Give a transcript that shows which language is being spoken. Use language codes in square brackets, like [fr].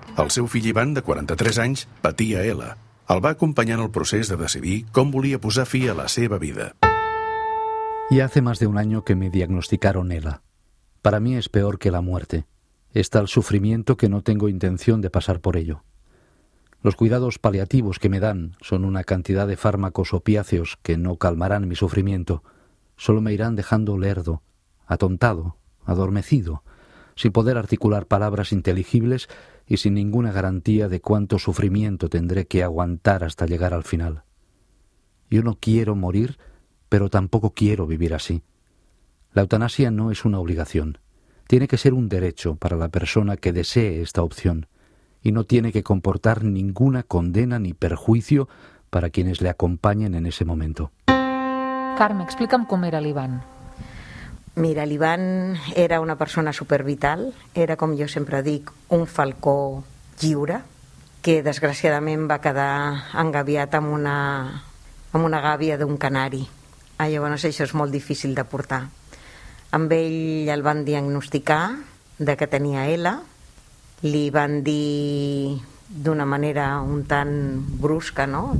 [ca] El seu fill Ivan, de 43 anys, patia ELA. El va acompanyar en el procés de decidir com volia posar fi a la seva vida. [es] Ya hace más de un año que me diagnosticaron ELA. Para mí es peor que la muerte. Está el sufrimiento que no tengo intención de pasar por ello. Los cuidados paliativos que me dan son una cantidad de fármacos opiáceos que no calmarán mi sufrimiento. Solo me irán dejando lerdo, atontado, adormecido, sin poder articular palabras inteligibles y sin ninguna garantía de cuánto sufrimiento tendré que aguantar hasta llegar al final. Yo no quiero morir, pero tampoco quiero vivir así. La eutanasia no es una obligación. Tiene que ser un derecho para la persona que desee esta opción y no tiene que comportar ninguna condena ni perjuicio para quienes le acompañen en ese momento. [ca] Carme, explica'm com era l'Ivan. Mira, l'Ivan era una persona supervital, era, com jo sempre dic, un falcó lliure que desgraciadament va quedar engabiat amb una gàbia d'un canari. Llavors això és molt difícil de portar. Amb ell el van diagnosticar de que tenia ELA, li van dir d'una manera un tant brusca, no?